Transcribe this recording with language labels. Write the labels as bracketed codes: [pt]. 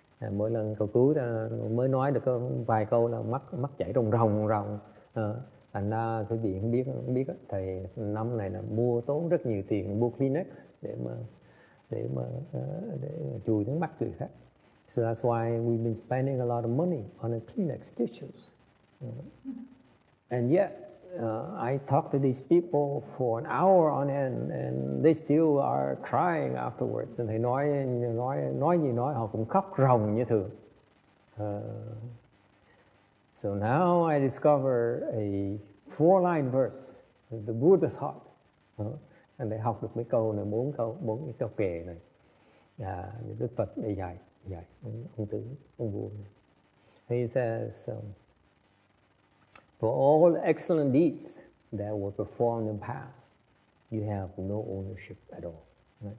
[vi] Mỗi lần cầu cứu mới nói được vài câu là mắt chảy ròng ròng. Thành ra quý vị không biết thầy năm này là mua tốn rất nhiều tiền mua Kleenex để chùi nước mắt người khác. [en] So that's why we've been spending a lot of money on the Kleenex tissues. And yet, I talk to these people for an hour on end and they still are crying afterwards. [vi] And thầy nói gì họ cũng khóc ròng như thường. [en] So now I discover a four-line verse that the Buddha taught. And they [vi] học được mấy câu này, bốn cái câu kệ này. Đức Phật để dạy ông tử, ông vua. [en] He says, for all excellent deeds that were performed in the past, you have no ownership at all.